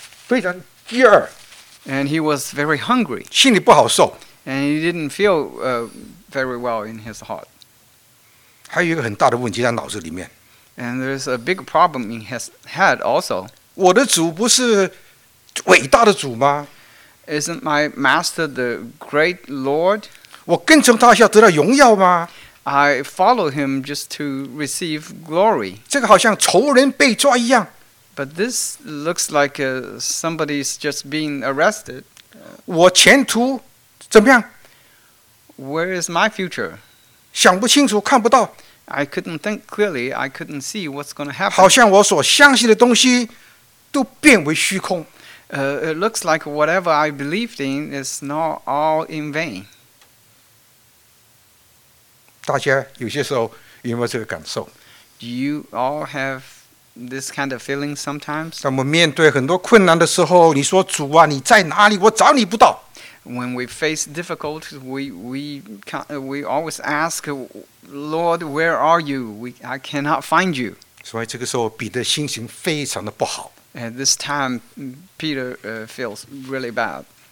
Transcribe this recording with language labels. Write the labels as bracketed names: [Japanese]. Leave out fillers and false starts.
[English] 非常Yeah. And he was very hungry. [Chinese] 心里不好受。 [English] And he didn't feel very well in his heart. [Chinese] 还有一个很大的问题在脑子里面。 [English] And there's a big problem in his head also. [Chinese] 我的主不是伟大的主吗？ [English] Isn't my master the great Lord? [Chinese] 我跟从他要得到荣耀吗？ [English] I follow him just to receive glory. [Chinese] 这个好像仇人被抓一样。 [English] But this looks like somebody's just being arrested. [Chinese] 我前途怎么样？ [English] Where is my future? [Chinese] 想不清楚，看不到。 [English] I couldn't think clearly. I couldn't see what's going to happen. [Chinese] 好像我所相信的东西都变为虚空。 [English] It looks like whatever I believed in is not all in vain. [Chinese] 大家有些时候有没有这个感受？ [English] Do you all have this kind of feeling sometimes? [Chinese] 当我们面对很多困难的时候，你说主啊，你在哪里？我找你不到。 [English] When we face difficulties, we always ask, Lord, where are you? I cannot find you. [Chinese] 所以这个时候，彼得心情非常的不好。 [English] At this time, Peter feels really bad.